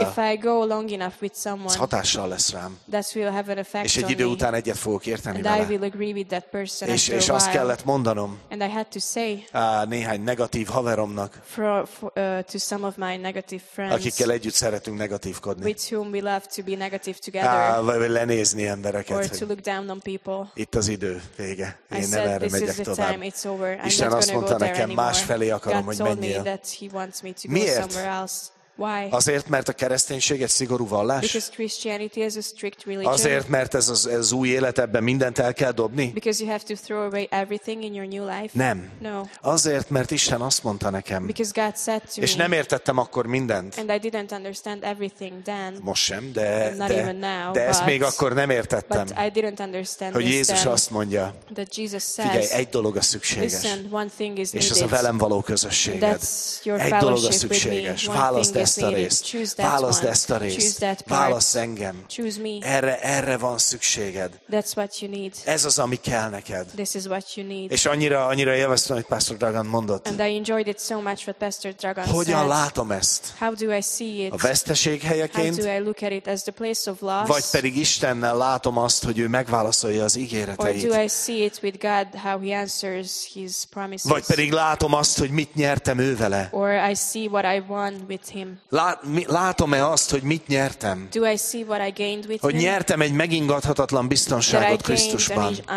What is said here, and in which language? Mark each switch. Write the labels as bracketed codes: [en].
[en] If I go long enough with someone, [hu] hatással lesz rám. [en] That will have an effect [hu] és egy idő után egyet fogok érteni [en] and [hu] vele. [en] I will agree with that person [hu] és [en] after [hu] és [en] a while [hu] azt kellett mondanom [en] and I had to say [hu] néhány negatív haveromnak, [en] to some of my negative friends, [hu] akikkel együtt szeretünk negatívkodni, [en] with whom we love to be negative together, [hu] vagy lenézni embereket, [en] or to look down on people. [hu] Itt az idő vége. Én [en] I [hu] nem [en] said, [hu] erre [en] this [hu] megyek [en] is the [hu] tovább. [en] Time. It's over. [hu] Isten azt mondta nekem, másfelé akarom, [en] God [hu] hogy menjél. Miért? [en] Why? [hu] Azért, mert a kereszténység egy szigorú vallás. [en] Because Christianity is a strict religion. [hu] Azért, mert ez az ez új életben mindent el kell dobni. [en] Because you have to throw away everything in your new life. [hu] Nem. [en] No. [hu] Azért, mert Isten azt mondta nekem. [en] Because God said to me. [hu] És nem értettem akkor mindent. [en] And I didn't understand everything then. [hu] Most sem, de [en] not even now, [hu] de ezt még akkor nem értettem. [en] But I didn't understand. [hu] Hogy Jézus azt mondja. [en] That Jesus says. [hu] Figyelj, egy dolog a szükséges. [en] Listen, one thing is needed. [hu] És az a velem való közösséged. [en] That's your fellowship. [hu] Egy dolog a szükséges. Választ ezt a részt. Választ ezt a részt. Választ engem. Erre van szükséged. [en] That's what you need. [hu] Ez az, ami kell neked. [en] This is what you need. [hu] És annyira élveztem, hogy Pastor Dragan mondott. [en] And I enjoyed it so much what Pastor Dragan said. [hu] Hogyan látom ezt? [en] How do I see it? [hu] A veszteség helyeként? [en] How do I look at it as the place of loss? [hu] Vagy pedig Istennel látom azt, hogy ő megválaszolja az ígéreteit? [en] Or do I see it with God how he answers his promises? [hu] Vagy pedig látom azt, hogy mit nyertem ő vele? [en] Or I see what I won with him. [hu] Látom-e azt, hogy mit nyertem? [en] Do I see what I gained with [hu] hogy nyertem egy megingathatatlan biztonságot Krisztusban?